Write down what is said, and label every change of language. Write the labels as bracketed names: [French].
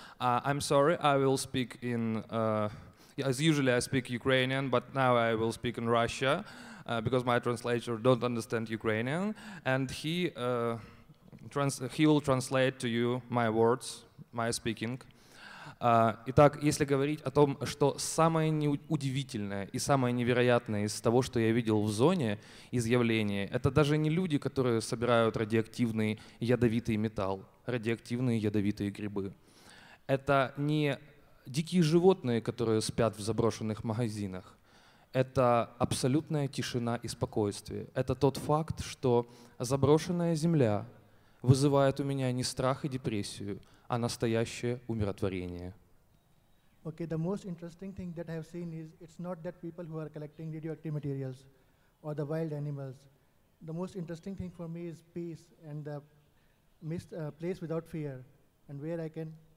[English] I'm sorry, I will speak in, as usually I speak Ukrainian, but now I will speak in Russia. Because my translator don't understand Ukrainian, and he will translate to you my words, my speaking. [Russian] Итак, если говорить о том, что самое удивительное и самое невероятное из того, что я видел в зоне, из явления, это даже не люди, которые собирают радиоактивный ядовитый металл, радиоактивные ядовитые грибы. Это не дикие животные, которые спят в заброшенных магазинах. Это абсолютная тишина и спокойствие. Это тот факт, что заброшенная земля вызывает у меня не страх и депрессию, а настоящее умиротворение. [English] Okay, the most interesting thing that I have seen is it's not that people who are collecting radioactive materials or the wild animals. The most interesting thing for me is peace and the mist, place without fear and where I can.